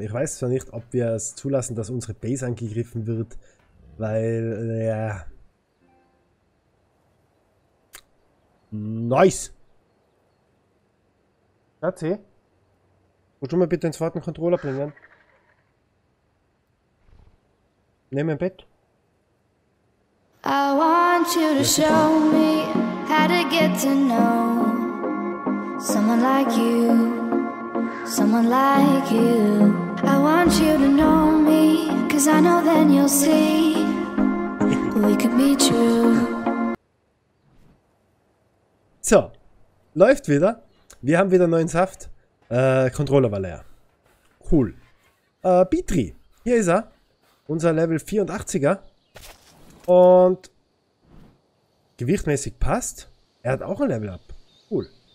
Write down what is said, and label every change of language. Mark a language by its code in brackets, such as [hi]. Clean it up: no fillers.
[de] Ich weiß zwar nicht, ob wir es zulassen, dass unsere Base angegriffen wird, weil, nice! Schatzi? Kannst du mal bitte den zweiten Controller bringen? Nimm ein Bett. [en] I want you to [de] Ja, super. [en] show me how to get to know someone like you, someone like you. I want you to know me, 'cause I know then you'll see we could be true. [de] So, läuft wieder. Wir haben wieder neuen Saft. Controller war leer. Cool. Petri, hier ist er. Unser Level 84er. Und gewichtmäßig passt. Er hat auch ein Level Up. Cool.